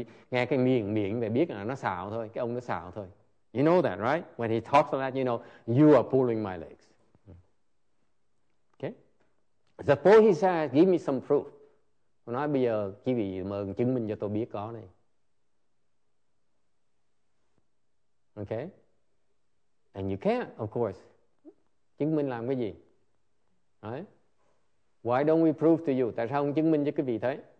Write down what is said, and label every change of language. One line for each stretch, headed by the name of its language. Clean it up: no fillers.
Vietnamese: Nghe cái miệng để biết là nó xạo thôi. Cái ông nó xạo thôi.
English: You know that, right? When he talks like that, you know, you are pulling my legs. Okay? Suppose he says, give me some proof.
Vietnamese: Nói bây giờ, chỉ vì mời chứng minh cho tôi biết có này.
English: Okay? And you can't, of course.
Vietnamese: Chứng minh làm cái gì?
English: Right? Why don't we prove to you?
Vietnamese: Tại sao không chứng minh cho quý vị thấy?